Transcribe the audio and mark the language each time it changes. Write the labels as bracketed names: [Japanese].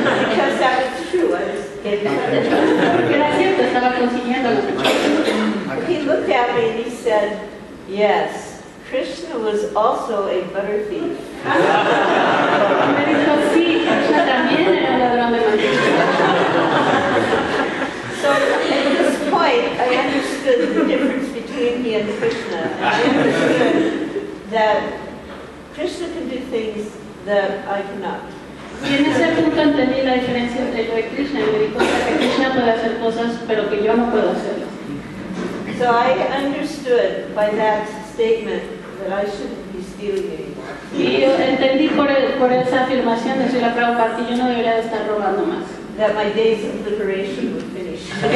[English] Because that was true, I was getting better. [Spanish] Porque era cierto, estaba consiguiendo mantequilla. [English] he looked at me and he said, yes, Krishna was also a butter thief. [Spanish] Me dijo, sí, Krishna también era ladrón de mantequilla. [English] So at this point, I understood the difference between me and Krishna. And I understood that Krishna can do things that I cannot. [Spanish] Y en ese punto entendí la diferencia entre yo y Krishna, y me di cuenta que Krishna puede hacer cosas, pero que yo no puedo hacerlo. [English] So I understood by that statement that I shouldn't be stealing anymore. [Spanish] Y yo entendí por esa afirmación de Srila Prabhupada que yo no debería de estar robando más. [English] That my days of liberation would finish.